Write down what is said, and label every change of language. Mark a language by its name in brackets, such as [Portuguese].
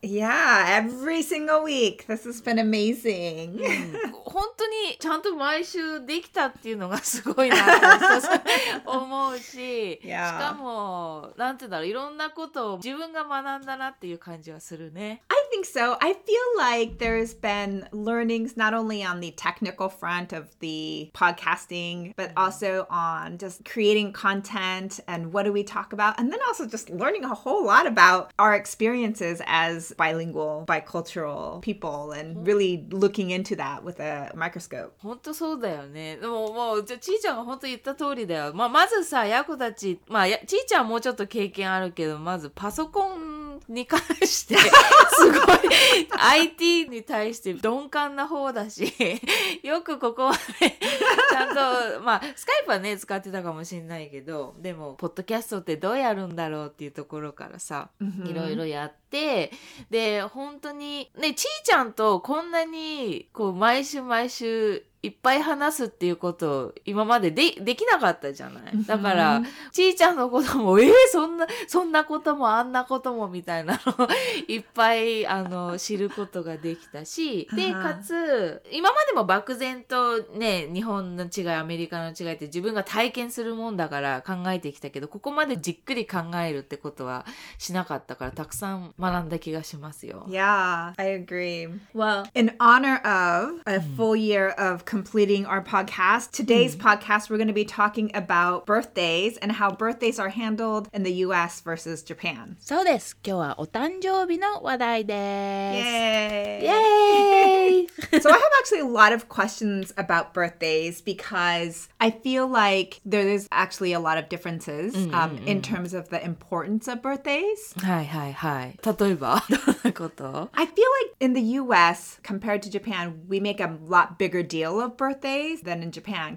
[English] Yeah, every single week. This has been amazing. [Japanese] 本当にちゃんと毎週できたっていうのがすごいなと思うし、しかも、なんて言うんだろう、いろんなことを自分が学んだなっていう感じはするね。 [English] I think so. I feel like there's been learnings not only on the technical front of the podcasting, but also on just creating content and what do we talk about, and then also just learning a whole lot about our experiences as bilingual, bicultural people, and really looking into that with a microscope. [Japanese] 本当そうだよね。でももうちーちゃんが本当言った通りだよ。まあまずさ、ヤコたち、まあちーちゃんもうちょっと経験あるけど、まずパソコンに関してすごい IT に対して鈍感な方だし、よくここはねちゃんと、まあスカイプはね使ってたかもしれないけど、でもポッドキャストってどうやるんだろうっていうところからさ、いろいろやって、で本当にね、ちーちゃんとこんなにこう毎週毎週いっぱい話すっていうことを今まで できなかったじゃない。だからちーちゃんのこともそんなこともあんなこともみたいなのをいっぱい知ることができたし、でかつ今までも漠然とね、日本の違いアメリカの違いって自分が体験するもんだから考えてきたけど、ここまでじっくり考えるってことはしなかったから、たくさん学んだ気がしますよ。 [English] Yeah, I agree. Well, in honor of a full year of completing our podcast, today's podcast we're going to be talking about birthdays and how birthdays are handled in the US versus Japan. [Japanese] そうです。今日はお誕生日の話題です。 [English] Yay! Yay! So I have actually a lot of questions about birthdays because I feel like there is actually a lot of differences in terms of the importance of birthdays. [Japanese] はいはいはい。例えば、どんなこと？ [English] I feel like in the US, compared to Japan, we make a lot bigger deal of birthdays than in Japan.